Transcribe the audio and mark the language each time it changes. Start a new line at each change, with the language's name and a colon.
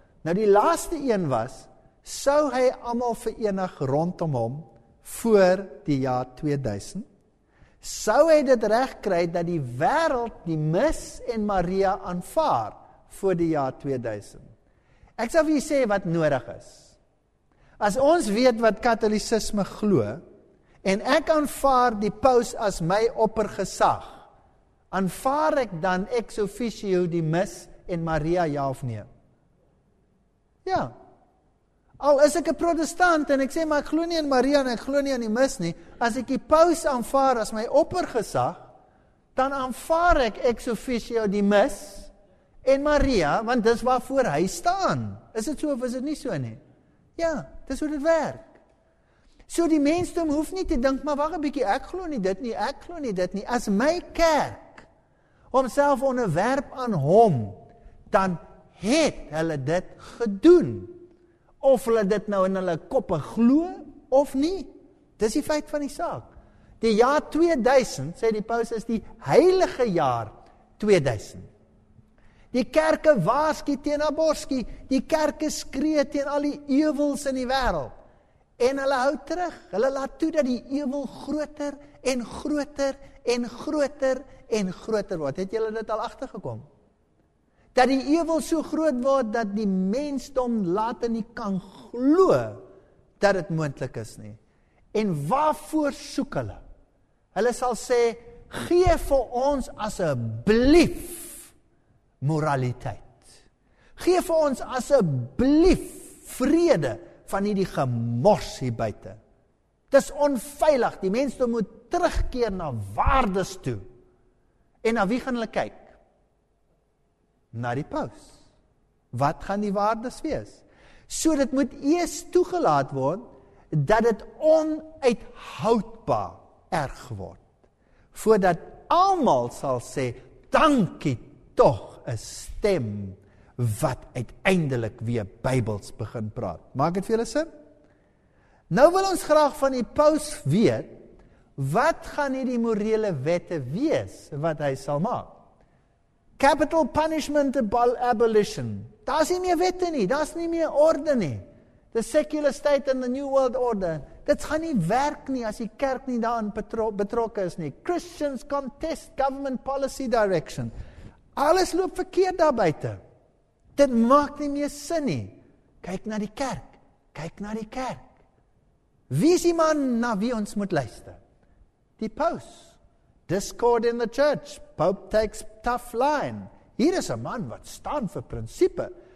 Afrikaans: Nou die laaste een was, sou hy almal verenig rondom hom voor die jaar 2000? Sou hy dit reg kry dat die wêreld die mis en Maria aanvaar voor die jaar 2000? Ek sal vir julle sê wat nodig is. As ons weet wat katolisisme glo, en ek aanvaar die paus as my oppergesag, aanvaar ek dan ex officio die mis en Maria ja of nee? Ja. Al is ek 'n protestant en ek sê maar ek glo nie in Maria en ek glo nie in die mis nie, as ek die paus aanvaar as my oppergesag, dan aanvaar ek ex officio die mis en Maria, want dis waarvoor hy staan. Is dit so of is dit nie so nie? Ja, dis hoe dit werk. So die mensdom hoef nie te dink, maar wag 'n bietjie, ek glo nie dit nie, ek glo nie dit nie. As my kerk homself onderwerp aan hom, dan het hulle dit gedoen. Of hulle dit nou in hulle koppe glo, of nie. Dis die feit van die saak. Die jaar 2000, sê die paus, is die heilige jaar 2000. Die kerke waarskie teen aborskie, die kerke skree teen al die ewels in die wêreld. En hulle hou terug. Hulle laat toe dat die ewel groter en groter en groter en groter word. Het julle dit al agtergekom? Dat die ewel so groot word dat die mensdom later nie kan glo dat dit moontlik is nie. En waarvoor soek hulle? Hulle sal sê, gee vir ons asseblief moraliteit. Gee vir ons asseblief vrede van hierdie gemors hier buite. Dis onveilig. Die mense moet terugkeer na waardes toe. En na wie gaan hulle kyk? Na die paus. Wat gaan die waardes wees? So dit moet eers toegelaat word dat dit onuithoudbaar erg word. Voordat almal sal sê, dankie tog 'n stem wat uiteindelik weer Bybels begin praat. Maak dit vir julle sin? Nou wil ons graag van die paus weet, wat gaan hierdie morele wette wees, wat hy sal maak?
English: Capital punishment abolition.
Afrikaans: Daar is nie meer wette nie, daar is nie meer orde nie.
English: The secular state and the new world order.
Afrikaans: Dit gaan nie werk nie as die kerk nie daarin betrokke is nie.
English: Christians contest government policy direction.
Afrikaans: Alles loop verkeerd daar buiten. Dit maak nie meer sin nie. Kyk na die kerk. Kyk na die kerk. Wie is die man na wie ons moet luister? Die paus.
English: Discord in the church. Pope takes tough line.
Afrikaans: Hier is 'n man wat staan vir prinsipe.